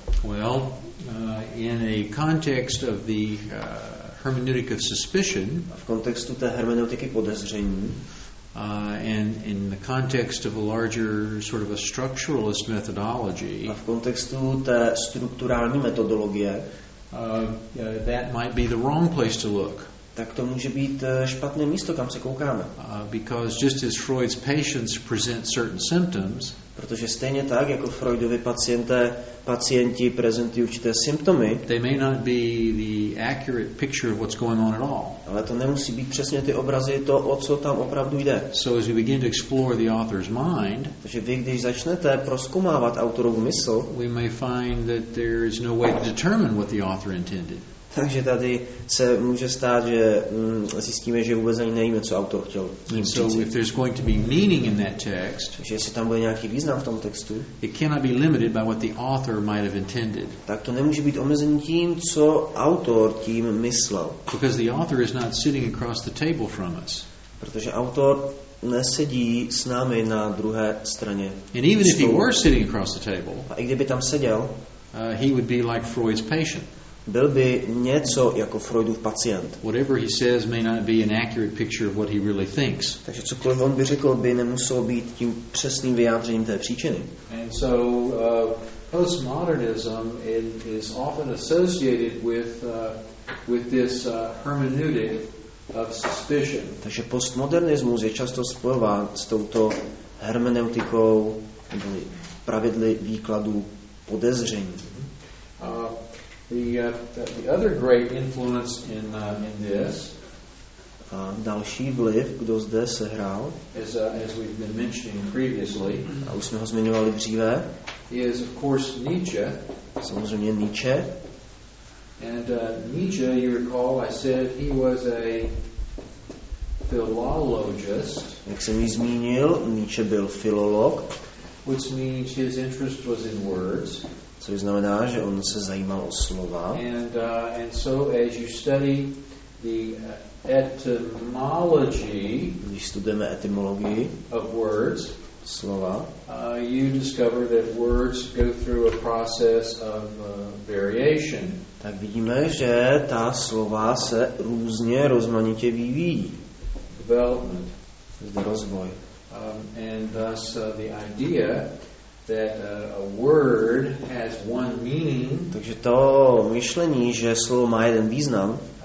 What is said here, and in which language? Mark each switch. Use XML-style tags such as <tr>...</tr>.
<en>Well, in a context of the hermeneutic of suspicion,</en> <cs>v kontextu té hermeneutiky podezření,</cs> <en>And in the context of a larger sort of a structuralist methodology,</en> <cs>a v kontextu té strukturální metodologie,</cs> <en>that might be the wrong place to look.</en> <cs>Tak to může být špatné místo, kam se koukáme.</cs> <en>Because just as Freud's patients present certain symptoms,</en> <cs>protože stejně tak jako Freudovi pacienti prezentují určité symptomy,</cs> <en>they may not be the accurate picture of what's going on at all.</en> <cs>Ale to nemusí být přesně ty obrazy to, o co tam opravdu jde.</cs> <en>So as we begin to explore the author's mind,</en> <cs>takže vy, když začnete prozkoumávat autorovu mysl,</cs> <en>we may find that there is no way to determine what the author intended.</en> <cs>Takže tady se může stát, že zjistíme, že vůbec ani nevíme, co autor chtěl.</cs> <en>So if there's going to be meaning in that text,</en> <cs>že jestli tam bude nějaký význam v tom textu,</cs> <en>it cannot be limited by what the author might have intended.</en> <cs>Tak to nemůže být omezený tím, co autor tím myslel.</cs> <en>Because the author is not sitting across the table from us.</en> <cs>Protože autor nesedí s námi na druhé straně.</cs> <en>And even if he were sitting across the table,</en> <cs>a i kdyby tam seděl,</cs> <en>he would be like Freud's patient.</en> <cs>Byl by něco jako Freudův pacient.</cs> <en>Whatever he says may not be an accurate picture of what he really thinks.</en> <cs>Takže cokoliv on by řekl, by nemuselo být tím přesným vyjádřením té příčiny.</cs> <en>And so postmodernism is often associated with this hermeneutic of suspicion.</en> <cs>Takže postmodernismus je často spojován s touto hermeneutikou pravidly výkladu podezření.</cs> <en>The other great influence in this</en> <cs>další vliv, kdo zde sehrál,</cs> <en>as we've been mentioning previously,</en> <cs>a už jsme ho zmiňovali dříve,</cs> <en>is of course Nietzsche.</en> <cs>Samozřejmě Nietzsche.</cs> <en>And Nietzsche, you recall, I said he was a philologist.</en> <cs>Jak jsem ji zmínil, Nietzsche byl filolog.</cs> <en>Which means his interest was in words.</en> <cs>Což znamená, že on se zajímal o slova.</cs> <en>And so as you study the etymology,</en> <cs>když studujeme etymologii</cs> <en>of words,</en> <cs>slova,</cs> <en>you discover that words go through a process of variation.</en> <cs>Tak vidíme, že ta slova se různě rozmanitě vyvíjí.</cs> <en>Development.</en> <cs>Zde rozvoj.</cs> <en>And thus the idea that a word has one meaning.</en> <cs>Takže to myšlení, že slovo má jeden význam,</cs>